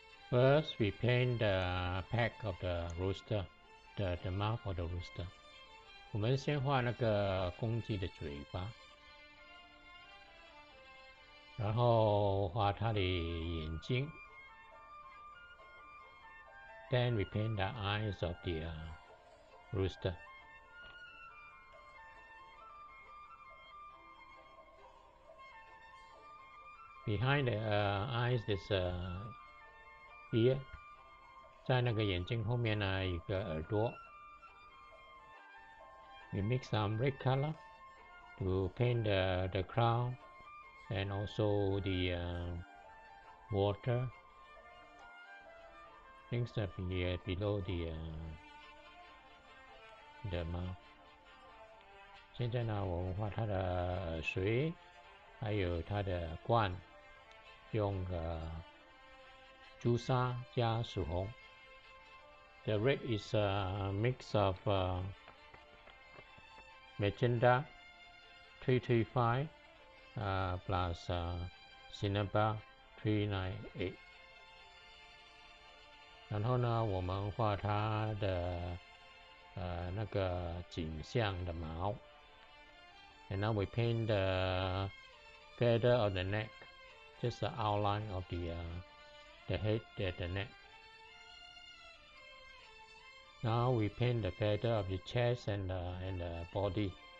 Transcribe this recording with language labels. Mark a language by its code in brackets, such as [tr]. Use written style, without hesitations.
[en] First, we paint the back of the rooster, the mouth of the rooster. [zh] 我们先画那个公鸡的嘴巴，然后画它的眼睛。 [en] Then we paint the eyes of the rooster. Behind the eyes, there's a ear. [zh] 在那个眼睛后面呢，一个耳朵。 [en] We mix some red color to paint the crown and also the water. Things up here below the mouth. [zh] 现在呢，我们画它的水，还有它的冠，用朱砂加曙红。 [en] The red is a mix of magenta, 335, plus cinnabar, 398. [zh] 然后呢，我们画它的那个颈项的毛。 [en] And now we paint the feather of the neck, just the outline of the head at the neck. Now we paint the feather of the chest and the body.